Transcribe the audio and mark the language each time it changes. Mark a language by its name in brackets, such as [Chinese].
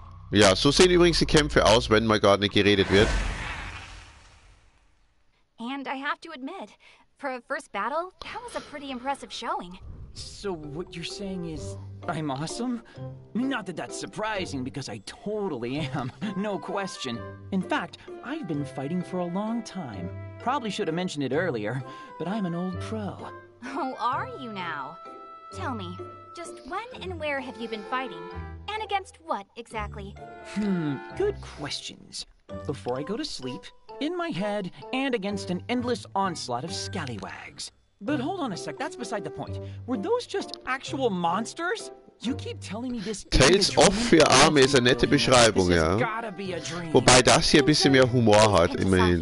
[German] Ja, so sehen übrigens die Kämpfe aus, wenn mal gar nicht geredet wird. [English] And I have to admit, for a first battle, that was a pretty impressive showing. So what you're saying is I'm awesome? Not that that's surprising, because I totally am, no question. In fact, I've been fighting for a long time. Probably should have mentioned it earlier, but I'm an old pro. Oh, are you now? Tell me, just when and where have you been fighting? And against what, exactly? Good questions. Before I go to sleep, in my head, and against an endless onslaught of scallywags. But hold on a sec, that's beside the point. Were those just actual monsters? You keep telling me this [German] Tales of für Arme ist eine nette Beschreibung, ja. Wobei das hier ein bisschen mehr Humor hat, immerhin.